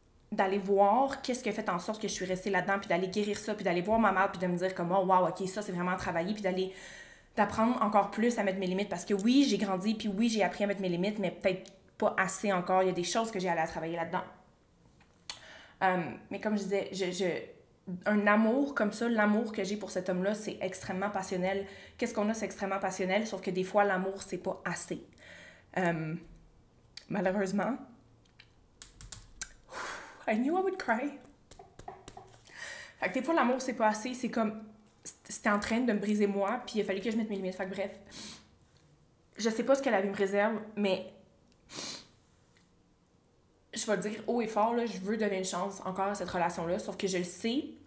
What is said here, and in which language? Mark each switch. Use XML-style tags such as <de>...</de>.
<fr>d'aller voir qu'est-ce qui a fait en sorte que je suis restée là-dedans, puis d'aller guérir ça, puis d'aller voir ma mère, puis de me dire comme, oh, wow, OK, ça, c'est vraiment travaillé, puis d'apprendre encore plus à mettre mes limites, parce que oui, j'ai grandi, puis oui, j'ai appris à mettre mes limites, mais peut-être pas assez encore, il y a des choses que j'ai à travailler là-dedans. Mais comme je disais, un amour comme ça, l'amour que j'ai pour cet homme-là, c'est extrêmement passionnel. Qu'est-ce qu'on a, c'est extrêmement passionnel, sauf que des fois, l'amour, c'est pas assez. Malheureusement,</fr> <en>I knew I would cry.</en> <fr>Fait que des fois, l'amour, c'est pas assez, c'est comme, c'était en train de me briser moi, puis il a fallu que je mette mes limites. Fait que bref, je sais pas ce que la vie me réserve, mais... Je vais dire haut et fort, là, je veux donner une chance encore à cette relation-là, sauf que je le sais.</fr>